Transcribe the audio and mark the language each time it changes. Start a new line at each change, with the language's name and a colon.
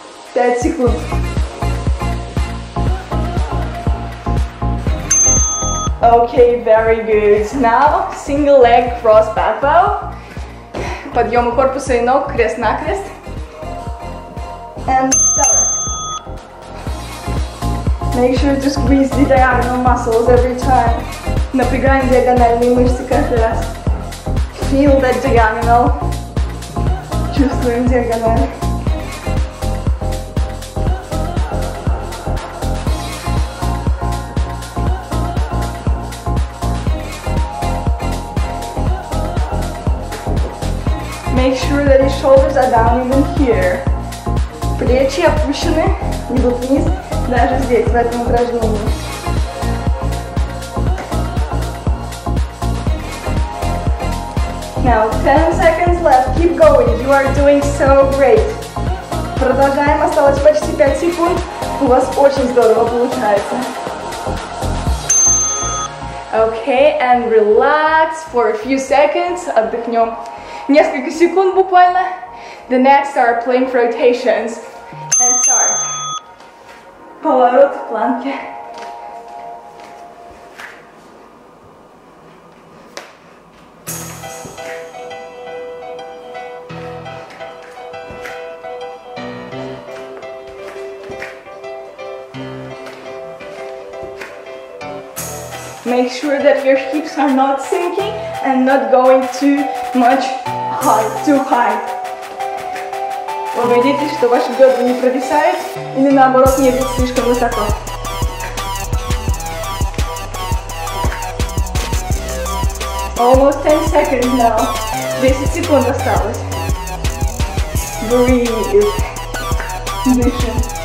English: 5 seconds. Okay, very good. Now single leg cross back bow.
Russian: Подъемы корпуса и ног крест на крест.
English: And start. Make sure to squeeze the diagonal muscles every time.
Russian: Напрягаем диагональные мышцы каждый раз.
English: Feel that diagonal.
Russian: Чувствуем диагональ.
English: Make sure that your shoulders are down even here.
Russian: Плечи опущены, идут вниз, даже здесь, в этом упражнении.
English: Now, 10 seconds left. Keep going. You are doing so great.
Russian: Продолжаем. Осталось почти 5 секунд. У вас очень здорово получается.
English: Okay, and relax for a few seconds.
Russian: Отдохнем. Несколько секунд буквально.
English: The next are plank rotations. And start.
Russian: Поворот в планке.
English: Make sure that your hips are not sinking and not going too much high, too high.
Russian: Убедитесь, что ваши бедра не провисают или наоборот не идут слишком высоко.
English: Almost 10 seconds now.
Russian: 10 секунд осталось.
English: Breathe.
Russian: Дышим.